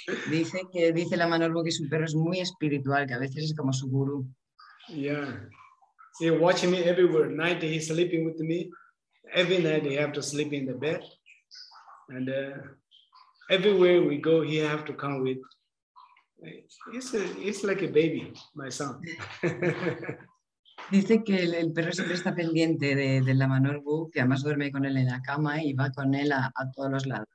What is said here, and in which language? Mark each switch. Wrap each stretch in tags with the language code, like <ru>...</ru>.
<es>dice Lama Norbu que su perro es muy espiritual, que a veces es como su gurú.</es> <en>Yeah, he watching me everywhere. Night he's sleeping with me. Every night he have to sleep in the bed, and everywhere we go he have to come with. It's like a baby, my son.</en> <es>Dice que el perro siempre está pendiente de Lama Norbu, que además duerme con él en la cama y va con él a todos los lados.</es>